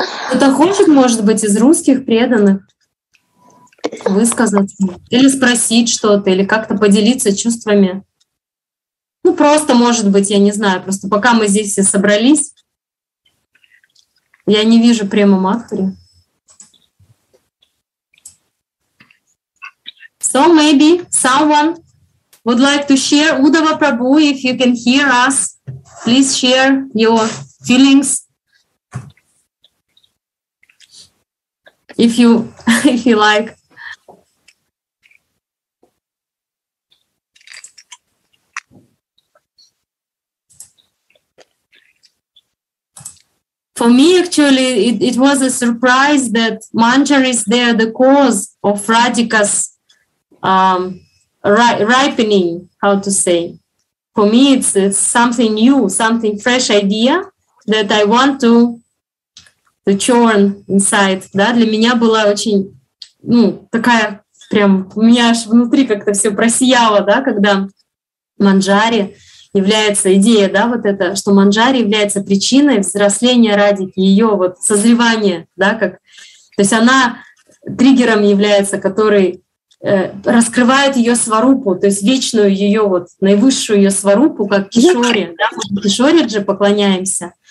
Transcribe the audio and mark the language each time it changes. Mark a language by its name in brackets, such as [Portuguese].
[Russian] Кто-то хочет, может быть, из русских преданных высказаться или спросить что-то, или как-то поделиться чувствами? Ну, просто, может быть, я не знаю, просто пока мы здесь все собрались, я не вижу Прему Матхури. [English] So maybe someone would like to share Uddhava Prabhu, if you can hear us, please share your feelings. If you like. For me, actually, it was a surprise that Manjari is there, the cause of Radhika's ripening, how to say. For me, it's something new, something fresh idea that I want to the churn inside, [Russian] да, для меня была очень, ну, такая прям, у меня аж внутри как-то все просияло, да, когда Манджари является идея, да, вот это, что Манджари является причиной взросления Радики, ее вот созревание, да, как, то есть она триггером является, который раскрывает ее сварупу, то есть вечную ее вот, наивысшую ее сварупу, как Кишори, да, мы Кишори же поклоняемся.